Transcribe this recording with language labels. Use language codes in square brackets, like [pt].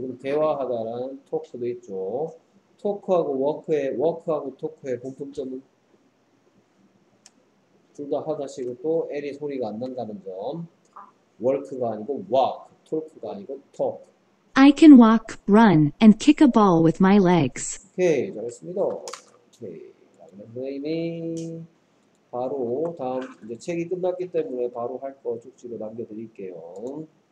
[ko] 그럼 대화하다라는 토크도 있죠. 토크하고 워크의 워크하고 토크의 공통점은 둘 다 하다시고 또 L이 소리가 안 난다는 점. 워크가 아니고 워크, 토크가 아니고 토크. [en] I can walk, run, and kick a ball with my legs. [ko] 오케이, 잘했습니다. 오케이, 레이미. 바로 다음 이제 책이 끝났기 때문에 바로 할 거 쪽지로 남겨드릴게요.